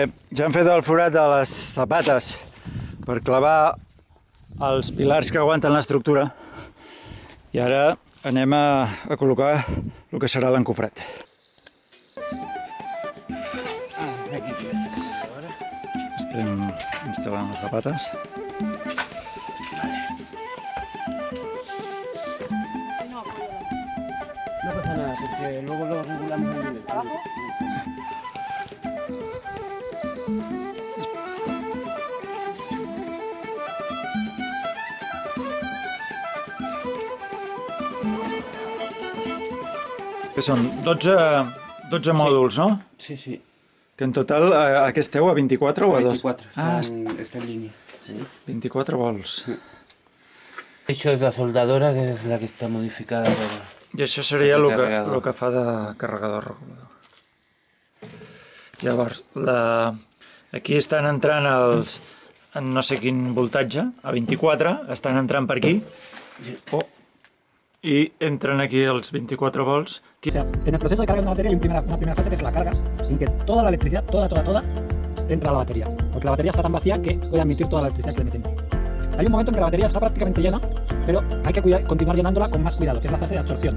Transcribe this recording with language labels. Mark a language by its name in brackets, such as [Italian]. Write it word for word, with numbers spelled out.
[Catalan] Ja hem fet el forat de les zapates per clavar els pilars que aguanten l'estructura i ara anem a, a col·locar el que serà l'encofrat. Estem instal·lant les zapates. [Spanish] No pasa nada, porque luego lo regulamos muy bien. [Catalan] Que són dotze, dotze sí. Mòduls, no? Sí, sí. Que en total aquí esteu a vint-i-quatre o a dos? vint-i-quatre, ah, [Spanish] está en línea. [Catalan] Sí. vint-i-quatre volts. Sí. Això és la soldadora, que és la que està modificada. I això seria el que, que fa de carregador regulador. Llavors, la... aquí estan entrant els... en no sé quin voltatge, a vint-i-quatre, estan entrant per aquí. Oh. [Spanish] Y entran aquí los veinticuatro volts. O sea, en el proceso de carga de una batería hay una primera, una primera fase que es la carga, en que toda la electricidad, toda, toda, toda, entra a la batería. Porque la batería está tan vacía que puede admitir toda la electricidad que le metemos. Hay un momento en que la batería está prácticamente llena, pero hay que cuidar, continuar llenándola con más cuidado, que es la fase de absorción.